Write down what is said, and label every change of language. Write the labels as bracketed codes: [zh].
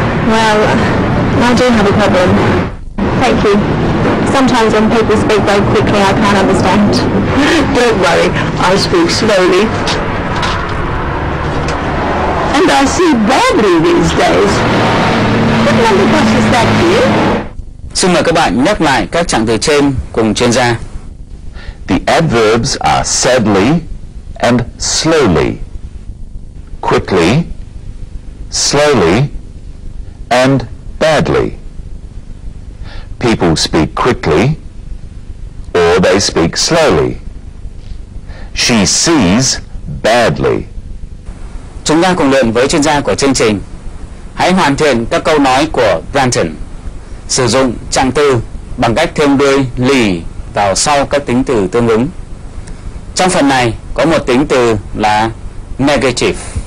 [en] Well, I do have a problem. Thank you. Sometimes when people speak very quickly, I can't understand. Don't worry, I speak slowly. And I see badly these days. What number bus is that, dear? [vi] Xin mời các bạn nhắc lại các trạng từ trên cùng chuyên gia. [en] The adverbs are sadly and slowly. Quickly, slowly, and badly. People speak quickly or they speak slowly. She sees badly. [vi] Chúng ta cùng luyện với chuyên gia của chương trình. Hãy hoàn thiện các câu nói của Brandon. Sử dụng trạng từ bằng cách thêm đuôi ly vào sau các tính từ tương ứng. Trong phần này có một tính từ là negative.